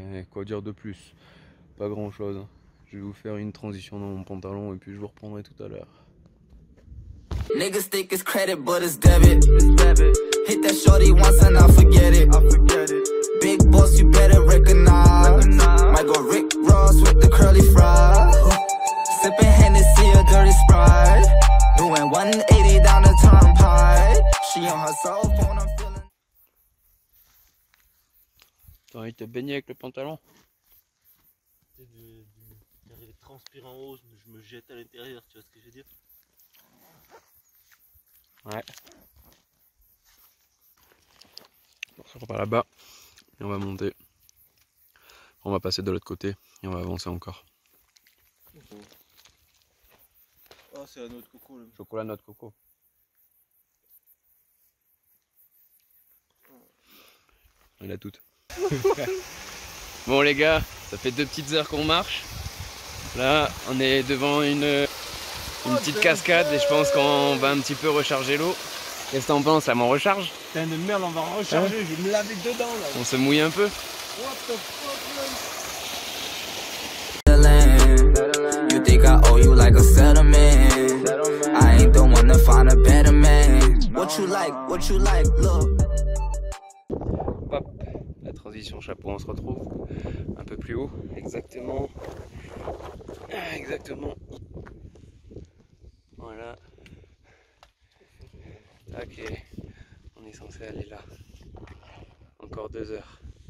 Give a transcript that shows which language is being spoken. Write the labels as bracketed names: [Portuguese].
[French] Quoi dire de plus? Pas grand chose. Je vais vous faire une transition dans mon pantalon et puis je vous reprendrai tout à l'heure. [English] Niggas think it's credit, but it's debit. Hit that shorty once and I'll forget it. Big boss, you better recognize. Might go Rick Ross with the curly fries. Sipping Hennessy, a dirty Sprite. Doing 180 down the turnpike. She on her cell phone, I'm feeling. [French] T'as envie de te baigner avec le pantalon? C'est du transpire en haut, je me jette à l'intérieur, tu vois ce que je veux dire? Ouais. Bon, on va là-bas et on va monter. On va passer de l'autre côté et on va avancer encore. Oh, c'est la noix de coco. Là. Chocolat noix de coco. Il a toutes. Bon les gars, ça fait 2 petites heures qu'on marche. Là, on est devant une petite cascade et je pense qu'on va un petit peu recharger l'eau. Qu'est-ce que t'en penses? Ça m'en recharge? Putain de merde, on va recharger, hein? Je vais me laver dedans là. On se mouille un peu. [English] What the fuck man? You think I owe you like a settlement? I ain't the one to find a better man. What you like, what you like, look. [French] Hop, la transition chapeau, on se retrouve un peu plus haut. Exactement. Exactement. Voilà. Ok, on est censé aller là. Encore 2 heures.